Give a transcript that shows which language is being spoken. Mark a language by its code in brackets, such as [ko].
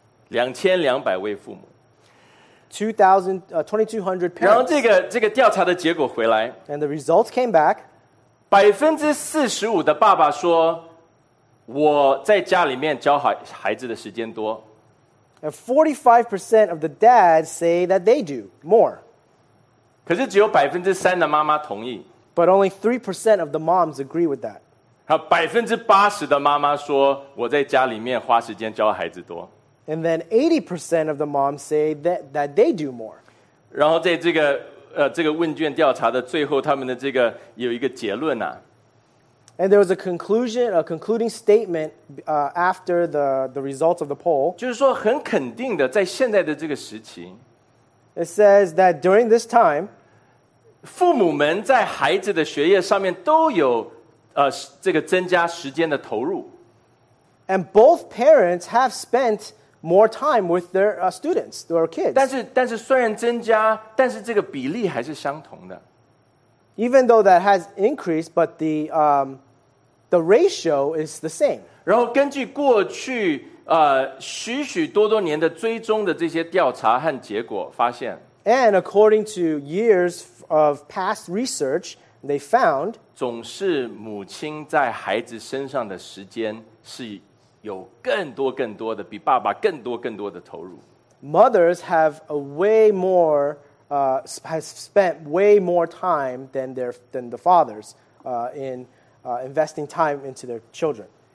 [zh] 2,200 位父母。 [en] 2,200 parents. [zh] 然后这个调查的结果回来。 [en] And the results came back. [zh] 45% 的爸爸说，我在家里面教孩子的时间多。 [en] And 45% of the dads say that they do more. [zh] 可是只有3%的妈妈同意。 [en] But only 3% of the moms agree with that. [zh] 80% 的妈妈说，我在家里面花时间教孩子多。 [en] And then 80% of the moms say that they do more. [zh] 然后在这个问卷调查的最后，他们的这个有一个结论啊。 [en] And there was a concluding statement after the results of the poll. [zh] 就是说很肯定的，在现在的这个时期。 [en] It says that during this time, [zh] 父母们在孩子的学业上面都有这个增加时间的投入。 [en] And both parents have spent more time with their students, their kids. [zh] 但是虽然增加，但是这个比例还是相同的。 [en] Even though that has increased, but the ratio is the same. [zh] 然后根据过去许许多多年的追踪的这些调查和结果发现。 [en] And according to years of past research, they found [zh] 总是母亲在孩子身上的时间是有更多更多的，比爸爸更多更多的投入。 [en] Mothers have a way more, has spent way more time than the fathers in investing time into their children.